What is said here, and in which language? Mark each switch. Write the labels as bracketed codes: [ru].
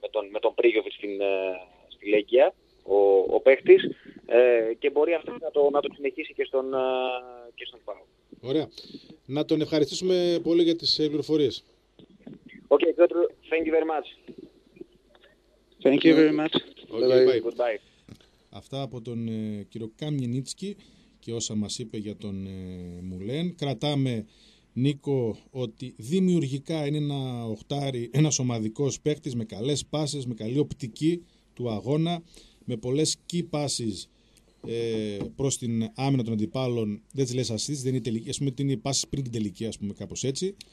[el] Με τον Πρίγιοβιτς στη Λέγκια, ο παίχτης, και μπορεί αυτό να το συνεχίσει και στον ΠΑΟ. Ωραία. Να τον ευχαριστήσουμε πολύ για τις πληροφορίες. [en] Okay, Piotr, thank you very much. Thank you very much. Okay, bye. Goodbye. [el] Αυτά από τον κύριο Καμιενίτσκι και όσα μας είπε για τον Μουλέν. Κρατάμε, Νίκο, ότι δημιουργικά είναι ένα οχτάρι, ένας ομαδικός παίκτης με καλές πάσες, με καλή οπτική του αγώνα, με πολλές key πάσεις προς την άμυνα των αντιπάλων, δεν τις λες ασίστ, δεν είναι τελική, ας πούμε, είναι η πάση πριν την τελική, ας πούμε, κάπως έτσι.